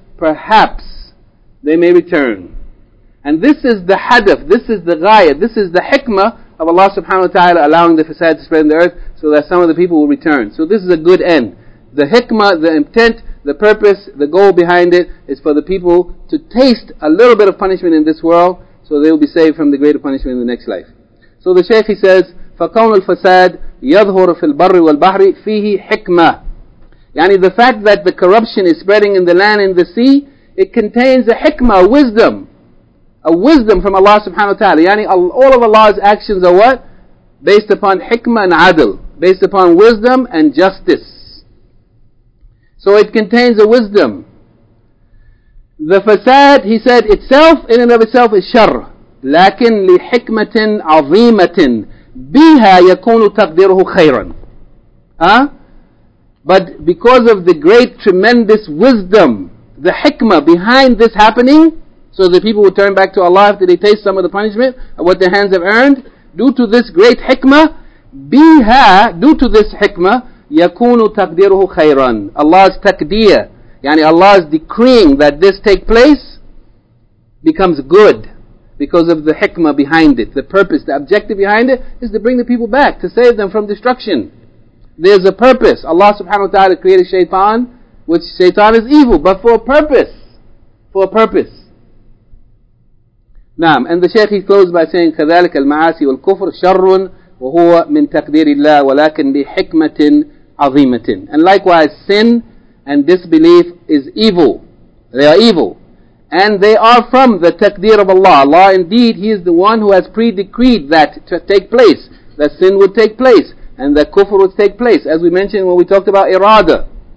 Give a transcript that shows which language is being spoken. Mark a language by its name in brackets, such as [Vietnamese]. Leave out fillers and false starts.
[English] Perhaps they may return. And this is the hadaf, this is the ghaya, this is the hikmah of Allah subhanahu wa ta'ala allowing the fasad to spread in the earth so that some of the people will return. So this is a good end. The hikmah, the intent, the purpose, the goal behind it is for the people to taste a little bit of punishment in this world so they will be saved from the greater punishment in the next life. So the Shaykh, he says, [Arabic] فَكَوْنُ الْفَسَادِ يَظْهُرُ فِي الْبَرِّ وَالْبَحْرِ فِيهِ حِكْمَةِ. [English] Yani the fact that the corruption is spreading in the land and the sea, it contains a hikmah, wisdom. A wisdom from Allah subhanahu wa ta'ala. Yani all of Allah's actions are what? Based upon hikmah and adl. Based upon wisdom and justice. So it contains a wisdom. The fasad, he said, itself, in and of itself, is shar. [Arabic] لكن لحكمة عظيمة بها يكون تقديره خيرا. Huh? [English] But because of the great, tremendous wisdom, the hikmah behind this happening, so the people will turn back to Allah after they taste some of the punishment of what their hands have earned. Due to this great hikmah, biha, due to this hikmah, [Arabic] yakunu takdiruhu khayran. [English] Allah's takdir, yani Allah's decreeing that this take place, becomes good because of the hikmah behind it. The purpose, the objective behind it is to bring the people back, to save them from destruction. There's a purpose. Allah subhanahu wa ta'ala created shaitan, which shaitan is evil, but for a purpose. For a purpose. Naam, and the Shaykh, he closed by saying, [Arabic] كذلك المعاسي والكفر شر وهو من تقدير الله ولكن بحكمة عظيمة. [English] And likewise, sin and disbelief is evil. They are evil. And they are from the takdir of Allah. Allah, indeed, He is the one who has pre-decreed that to take place. That sin would take place. And that kufr would take place. As we mentioned when we talked about irada.